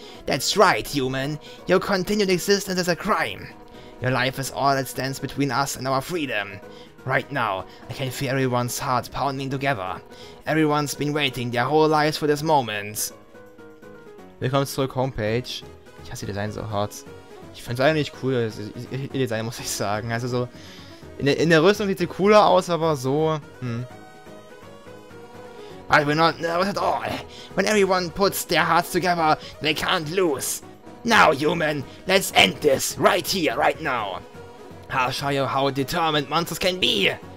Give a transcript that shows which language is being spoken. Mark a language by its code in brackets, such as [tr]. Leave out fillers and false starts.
[en] That's right, human. Your continued existence is a crime. Your life is all that stands between us and our freedom. Right now, I can feel everyone's heart pounding together. Everyone's been waiting their whole lives for this moment. [de] Willkommen zurück, Homepage. Ich hasse ihr Design so hart. Ich find's eigentlich cool, ihr Design, muss ich sagen. Also so, in der Rüstung sieht sie cooler aus, aber so, [en] But we're not nervous at all. When everyone puts their hearts together, they can't lose. Now, human, let's end this, right here, right now. I'll show you how determined monsters can be.